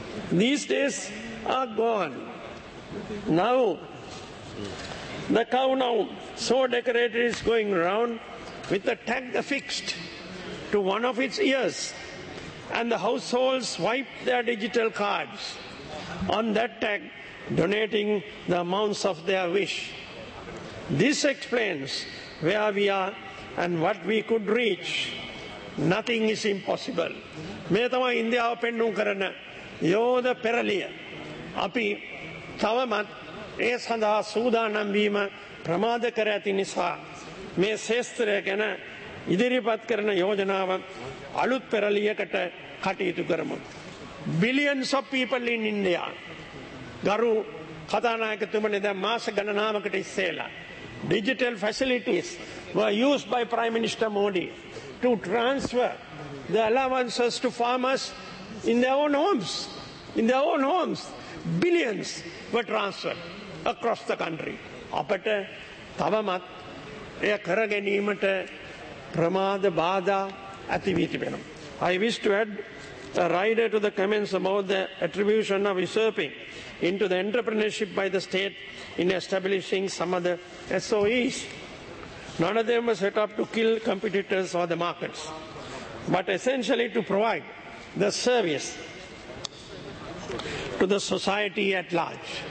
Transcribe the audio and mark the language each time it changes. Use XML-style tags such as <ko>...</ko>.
<en>These days are gone. Now, the cow now so decorated is going round with a tag affixed to one of its ears, and the households wipe their digital cards on that tag, donating the amounts of their wish. This explains where we are and what we could reach. Nothing is impossible.</en> <si>මේ තමයි ඉන්දියාව පෙන්නුම් කරන යෝධ පෙරළිය. අපි තවමත් ඒ සඳහා සූදානම් වීම ප්‍රමාද කර ඇති නිසා මේ ක්ෂේත්‍රය ගැන ඉදිරිපත් කරන යෝජනාව අලුත් පෙරළියකට කටයුතු කරමු.</si> <en>Billions of people in India.</en> <si>ගරු කථානායකතුමනි, දැන් මාස ගණනාවකට ඉස්සෙල්ලා</si> <en>digital facilities were used by Prime Minister Modi to transfer the allowances to farmers in their own homes. In their own homes, billions were transferred across the country.</en> <si>අපට තවමත් එය කර ගැනීමට ප්‍රමාද බාධා ඇති වී තිබෙනවා.</si> <en>I wish to add a rider to the comments about the attribution of usurping into the entrepreneurship by the state in establishing some of the SOEs. None of them were set up to kill competitors or the markets, but essentially to provide the service to the society at large.</en>